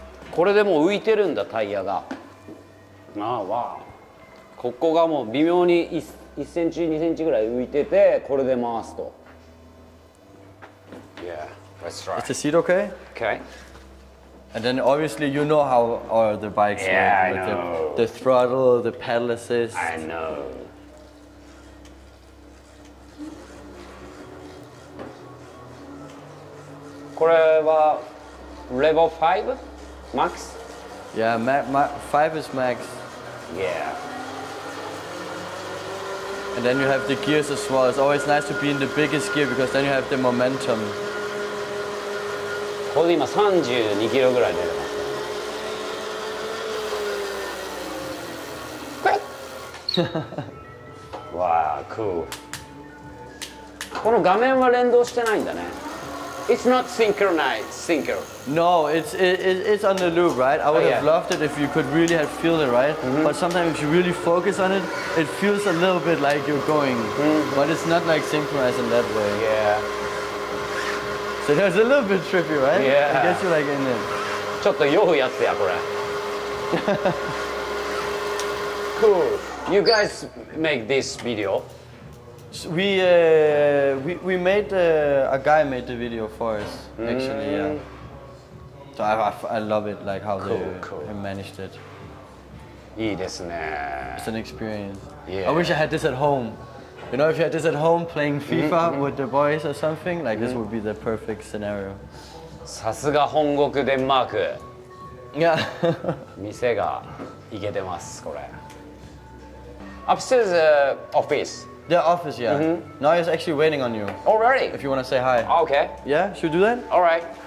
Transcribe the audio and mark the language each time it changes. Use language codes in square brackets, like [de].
[ja] これでもう浮いてるんだ、タイヤが。ああ、わあ。ここがもう微妙に1センチ、2センチぐらい浮いてて、これで回すと。 [en] Yeah, let's try. Is the seat okay? Okay. And then obviously you know how are the bikes like. Yeah, I know. The throttle, the pedal assist. I know. [ja] これはレベル5? Max? [en] Yeah, 5 is max. Yeah. And then you have the gears as well. It's always nice to be in the biggest gear because then you have the momentum. [ja] ここで今32キロぐらい出てます。 [en] クイッ!Wow, cool. [ja] この画面は連動してないんだね。 [en] It's not synchronized, No, it's on the loop, right? I would have loved it if you could really have feel it, right? Mm-hmm. But sometimes if you really focus on it, it feels a little bit like you're going. Mm-hmm. But it's not like synchronized in that way. Yeah. So that's a little bit trippy, right? Yeah. I guess you're like in it. [ja] ちょっと酔うやつやこれ。 [en] Cool. You guys make this video? So we made a guy made the video for us actually so I love it like how they managed it. [ja] いいですね。 [en] It's an experience. Yeah. I wish I had this at home. You know, if you had this at home playing FIFA with the boys or something like this would be the perfect scenario. [ja] さすが本国デンマーク。 [en] Yeah. [ja] 店がいけてますこれ。 [en] Upstairs office. The office, yeah. Mm-hmm. Now he's actually waiting on you. Oh, really? If you want to say hi. Okay. Yeah, should we do that? All right.